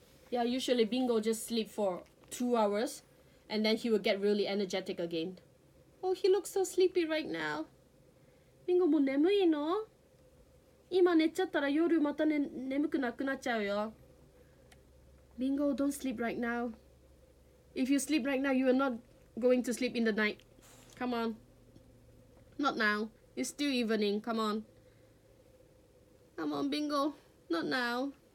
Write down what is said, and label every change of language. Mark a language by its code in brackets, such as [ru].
[en] Yeah, usually Bingo just sleep for 2 hours and then he will get really energetic again. Oh, he looks so sleepy right now. Bingo, [ja] もう眠いの? 今寝ちゃったら夜また眠くなくなっちゃうよ。 [en] Bingo, don't sleep right now. If you sleep right now, you are not going to sleep in the night. Come on. Not now. It's still evening. Come on. Come on, Bingo. Not now.